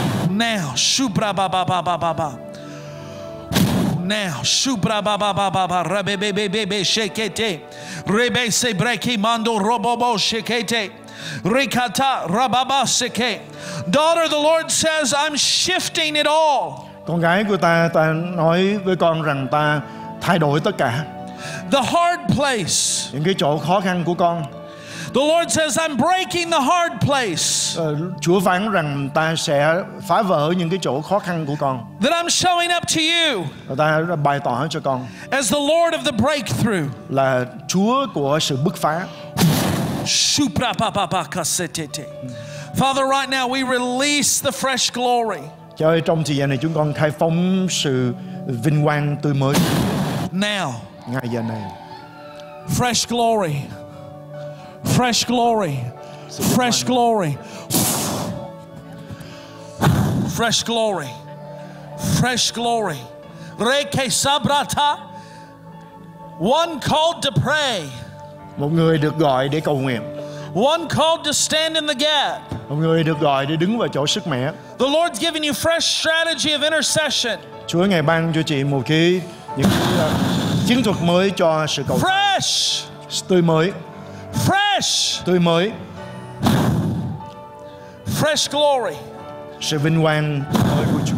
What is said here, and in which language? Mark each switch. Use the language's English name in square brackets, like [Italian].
[English] Now, shubra ba ba ba ba ba ba. Now, shubra ba ba ba ba ba. Rebe be be be be shekete. Rebe se breki mando robobo shekete. Rikata rababa seke. Daughter, the Lord says, I'm shifting it all. [Vietnamese] Con gái của ta, ta nói với con rằng ta thay đổi tất cả. [English] The hard place. [Vietnamese] Những cái chỗ khó khăn của con. [English] The Lord says, I'm breaking the hard place. [Vietnamese] Chúa phán rằng ta sẽ phá vỡ những cái chỗ khó khăn của con. [English] That I'm showing up to you. [Vietnamese] Ta bày tỏ cho con. [English] As the Lord of the breakthrough. [Vietnamese] Là Chúa của sự bứt phá. Supra pa pa pa kasetete. [English] Father, right now we release the fresh glory. [Vietnamese] Cha ơi, trong thời gian này chúng con khai phóng sự vinh quang tươi mới. [English] Now. [Vietnamese] Ngay giờ này. [English] Fresh glory. Fresh glory. Fresh glory. Fresh glory. Fresh glory. Re ke sabrata. One called to pray. [Vietnamese] Một người được gọi để cầu nguyện. [English] One called to stand in the gap. [Vietnamese] Một người được gọi để đứng vào chỗ sức mẻ. [English] The Lord's giving you fresh strategy of intercession. [Vietnamese] Chúa ngài ban cho chị một cái những chiến thuật mới cho sự cầu [English] fresh. [Vietnamese] Tươi mới. [English] Fresh. [Vietnamese] Tươi mới. [English] Fresh glory. [Vietnamese] Sự vinh quang mới của Chúa.